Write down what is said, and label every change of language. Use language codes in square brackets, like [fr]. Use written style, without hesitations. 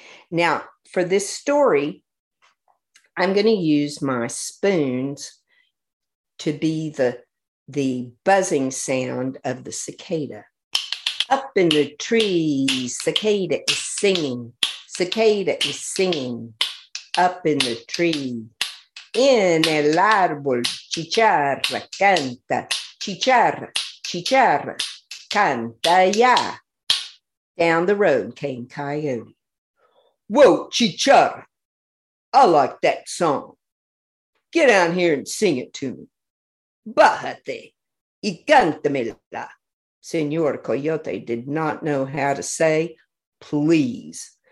[en] Now, for this story, I'm going to use my spoons to be the buzzing sound of the cicada. Up in the trees, cicada is singing. Cicada is singing up in the tree. [es] En el árbol, chicharra canta. Chicharra, chicharra, canta ya. [en] Down the road came Coyote. Whoa, chicharra, I like that song. Get down here and sing it to me. [es] Bájate, Y cántamela. [en] Señor Coyote did not know how to say please.